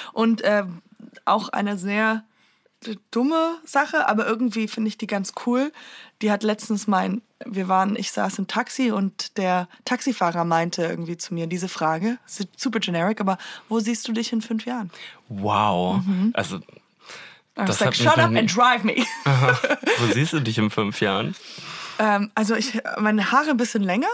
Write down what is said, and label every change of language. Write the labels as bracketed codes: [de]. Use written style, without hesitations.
[de] Und auch eine sehr dumme Sache, aber irgendwie finde ich die ganz cool. Die hat letztens ich saß im Taxi und der Taxifahrer meinte irgendwie zu mir diese Frage, [en] super generic, [de] aber wo siehst du dich in 5 Jahren? Wow. Mhm. Also, das [en] like, shut up and drive me. [de] Wo siehst du dich in 5 Jahren? Also ich, meine Haare ein bisschen länger.